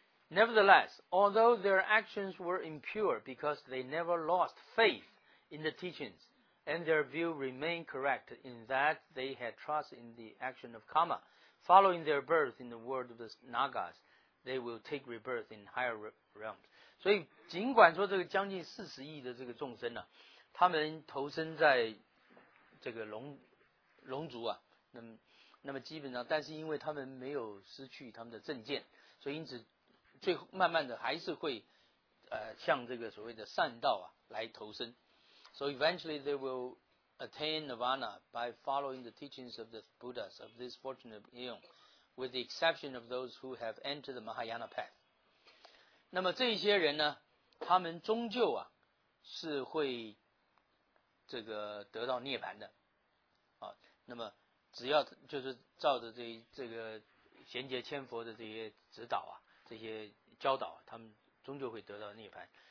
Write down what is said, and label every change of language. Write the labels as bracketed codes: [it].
[en] Nevertheless, although their actions were impure because they never lost faith in the teachings, and their view remained correct in that they had trust in the action of karma, following their birth in the world of the Nagas, they will take rebirth in higher realms. [zh] 所以尽管说这个将近40亿的这个众生啊，他们投身在这个龙族啊，那么基本上，但是因为他们没有失去他们的正见，所以因此最后慢慢的还是会向这个所谓的善道啊来投身。 [en] So eventually they will attain nirvana by following the teachings of the Buddhas of this fortunate eon, with the exception of those who have entered the Mahayana path. [zh] 那么这些人呢，他们终究啊是会这个得到涅槃的啊。那么只要就是照着这个贤劫千佛的这些指导啊，这些教导啊，他们终究会得到涅槃。